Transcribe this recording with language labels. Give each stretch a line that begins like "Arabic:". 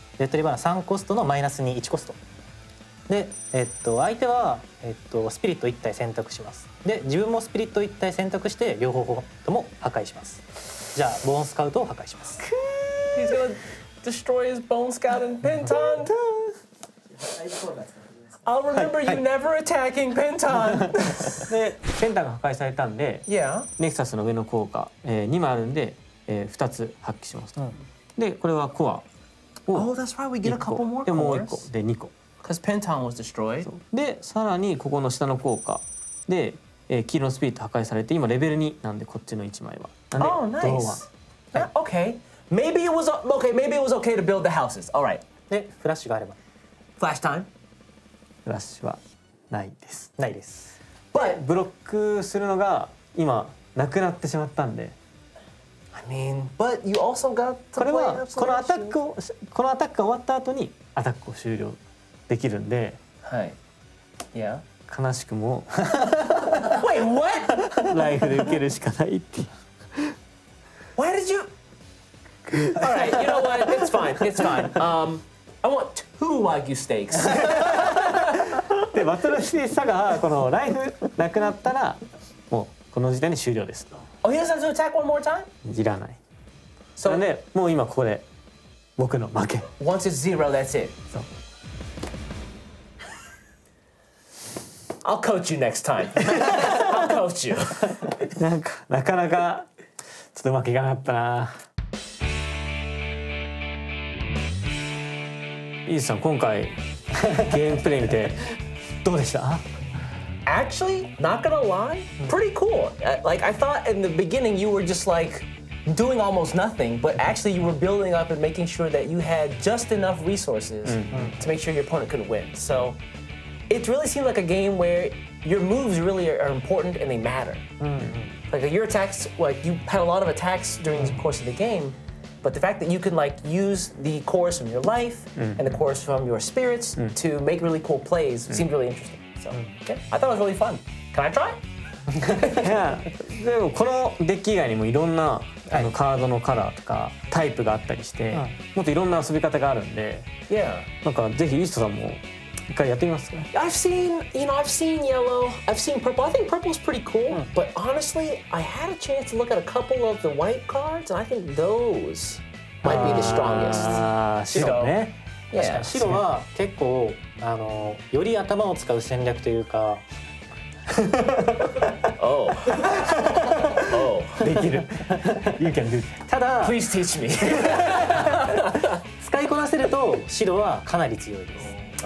Japanese: レトリバーの3コストの -2、1コスト。で、相手は、スピリット1体選択します。で、自分もスピリット1体選択して、両方とも破壊します。じゃあ、ボーンスカウトを破壊します。
English: He's gonna destroy his bone scout and Penton! I'll remember you never attacking Penton!
Japanese: で、Pentonが破壊されたんで、
English: yeah.
Japanese: ネクサスの上の効果、2枚あるんで、2つ発揮します、うん、で、これはコアを1個、
English: oh, that's right. We get a couple more
Japanese: でもう1個で2個
English: Because Penton was destroyed.
Japanese: で、さらにここの下の効果で、黄色のスピリット破壊されて今レベル2なんでこっちの1枚はなんで、
English: oh, nice. ドロー1 OK maybe it was OK maybe it was OK to build the houses. All right.
Japanese: で、フラッシュがあればフラッシュタイムフラッシュはないですないです
English: But
Japanese: ブロックするのが今なくなってしまったんで
English: I mean, but you also got to play an absolution.
Japanese: このアタックが終わった後にアタックを終了できるんで。はい。
English: Yeah.
Japanese: 悲しくも。
English: Wait, what?
Japanese: ライフで受けるしかないって。
English: Why did you? All right, you know what? It's fine. It's fine. I want two Wagyu steaks.
Japanese: で、バトルスピリッツサガはこのライフなくなったらもうこの時点で終了です。
English: Oh, he doesn't have to attack one more time?
Japanese: いらない。 So, なんで、もう今ここで僕の負け。
English: Once it's zero, that's it.
Japanese: そう。
English: I'll coach you next time. I'll coach you.
Japanese: なかなか、ちょっと負けがなかったな。イースさん、今回ゲームプレイ見てどうでした？
English: Actually, not gonna lie, pretty cool. Like, I thought in the beginning you were just like doing almost nothing, but actually you were building up and making sure that you had just enough resources to make sure your opponent could win. So it really seemed like a game where your moves really are important and they matter. Like, your attacks, like, you had a lot of attacks during the course of the game, but the fact that you can, like, use the cores from your life and the cores from your spirits to make really cool plays seemed really interesting. So, okay. I thought it was really fun. Can I try? Yeah.
Japanese: でもこのデッキ以外にもいろんな、はい、あのカードのカラーとかタイプがあったりして、はい、もっといろんな遊び方があるんで、
English: yeah.
Japanese: なんかぜひイーストさんも一回やってみますか。
English: I've seen, you know, I've seen yellow, I've seen purple. I think purple's pretty cool.、うん、but honestly, I had a chance to look at a couple of the white cards, and I think those might be the strongest.
Japanese: 白ね。
English: You know?
Japanese: いや白は結構より頭を使う戦略というか
English: Oh. Oh.
Japanese: できる。
English: You can do it.
Japanese: ただ、
English: Please teach me.
Japanese: 使いこなせると白はかなり強いです。